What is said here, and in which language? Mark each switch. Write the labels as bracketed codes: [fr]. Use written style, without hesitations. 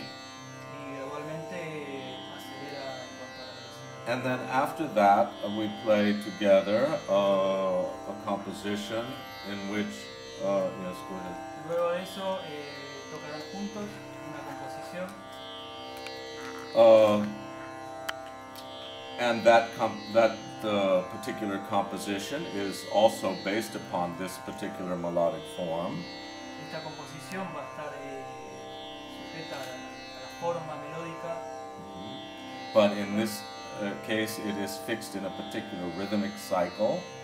[es] Y gradualmente acelera en cuanto a la velocidad. [en] And then after that we play together a composition in which yes, go ahead. [es] Luego de eso, tocarán juntos una composición. [en] And that particular composition is also based upon this particular melodic form. [es] Esta composición va a estar sujeta a la forma melódica. [en] But in this case, it is fixed in a particular rhythmic cycle.